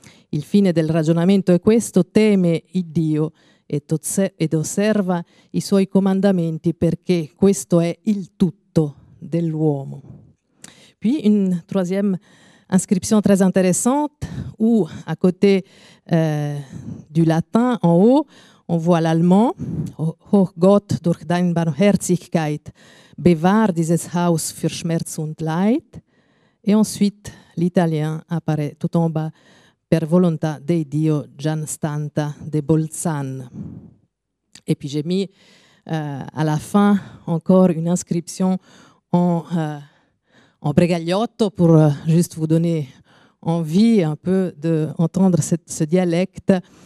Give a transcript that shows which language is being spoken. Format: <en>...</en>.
<it>Il fine del ragionamento è questo, teme il Dio ed osserva i suoi comandamenti perché questo è il tutto dell'uomo.</it> <fr>Puis une troisième inscription très intéressante où à côté du latin en haut on voit l'allemand.</fr> <de>Hoch Gott durch deine Barmherzigkeit bewahr dieses Haus für Schmerz und Leid.</de> <fr>Et ensuite l'italien apparaît tout en bas.</fr> <it>Per volontà dei Dio Gian Stanta de Bolzan.</it> <fr>Et puis j'ai mis à la fin encore une inscription en bregagliotto pour juste vous donner envie un peu d'entendre ce dialecte.</fr>